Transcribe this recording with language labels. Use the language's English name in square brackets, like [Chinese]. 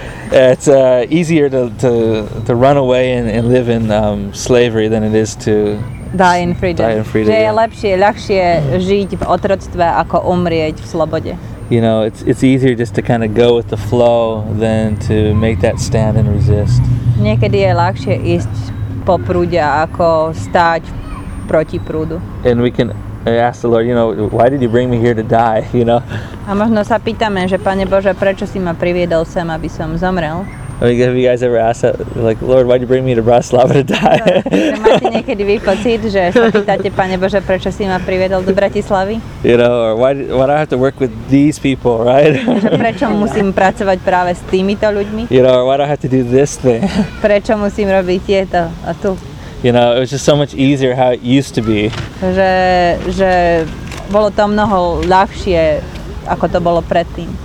[English] It's easier to run away and live in slavery than it is to die in freedom. Die in freedom. [Slovak] Je ľahšie žiť v otroctve ako umrieť v slobode. [English] You know, it's easier just to kind of go with the flow than to make that stand and resist. [Slovak] Niekedy je ľahšie ísť po prúde ako stáť proti prúdu. [English] And we can ask the Lord, you know, why did you bring me here to die, you know? [Slovak] A možno sa pýtame, že Pane Bože, prečo si ma priviedol sem, aby som zomrel? [English] I mean, have you guys ever asked that, like, Lord, why did you bring me to Bratislava to die? [Slovak] Máte niekedy vy pocit, že sa pýtate, Pane Bože, prečo si ma priviedol do Bratislavy? [English] You know, or why do I have to work with these people, right? [Slovak] Prečo musím pracovať práve s týmito ľuďmi? [English] You know, or why do I have to do this thing? [Slovak] Prečo musím robiť tieto a tu? [English] You know, it was just so much easier how it used to be. [Slovak] Že bolo to mnoho ľahšie, ako to bolo predtým.